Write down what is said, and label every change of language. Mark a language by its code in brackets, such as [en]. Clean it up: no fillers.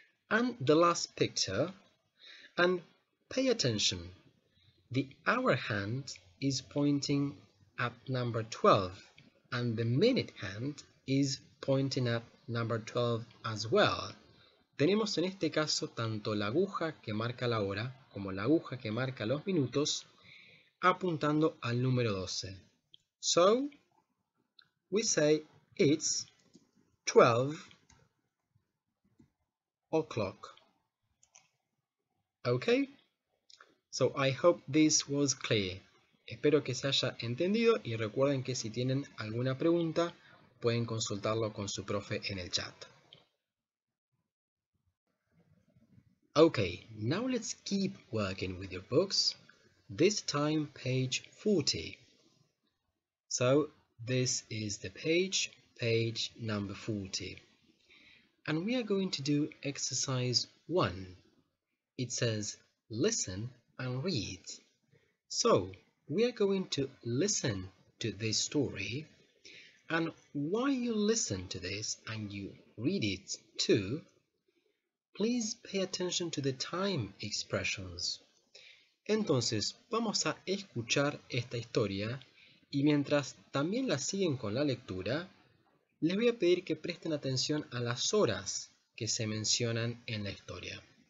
[en] And the last picture. And pay attention. The hour hand is pointing at number 12. And the minute hand is pointing at number 12 as well. [es] Tenemos en este caso tanto la aguja que marca la hora como la aguja que marca los minutos apuntando al número 12. [en] So, we say it's 12 o'clock. Okay? So, I hope this was clear. [es] Espero que se haya entendido y recuerden que si tienen alguna pregunta, pueden consultarlo con su profe en el chat. [en] Okay, now let's keep working with your books. This time page 40. So this is the page, page number 40. And we are going to do exercise 1. It says listen and read. So we are going to listen to this story. And while you listen to this and you read it too, please pay attention to the time expressions. [es] Entonces, vamos a escuchar esta historia y mientras también la siguen con la lectura, les voy a pedir que presten atención a las horas que se mencionan en la historia.